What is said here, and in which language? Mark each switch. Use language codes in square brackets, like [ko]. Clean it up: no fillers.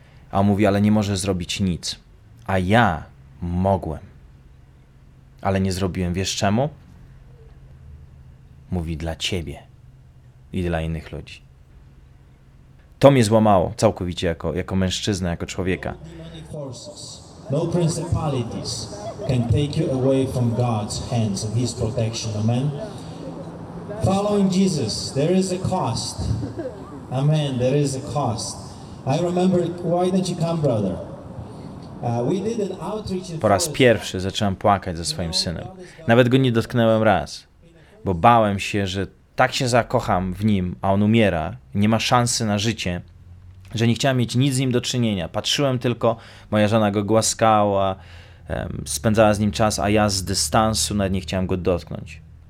[pl] A on mówi, ale nie może zrobić nic. A ja mogłem. Ale nie zrobiłem. Wiesz czemu? Mówi, dla ciebie. I dla innych ludzi. To mnie złamało całkowicie jako mężczyzna, jako człowieka. [en] No principalities can take you away from God's hands and his protection. Amen. Following Jesus, there is a cost. Amen, there is a cost. I remember, why don't you come, brother? We did an outreach. [pl] Po raz pierwszy zacząłem płakać ze swoim synem. Nawet go nie dotknąłem raz, bo bałem się, że tak się zakocham w nim, a on umiera, nie ma szansy na życie, że nie chciałem mieć nic z nim do czynienia. Patrzyłem tylko, moja żona go głaskała, spędzała z nim czas, a ja z dystansu nawet nie chciałem go dotknąć.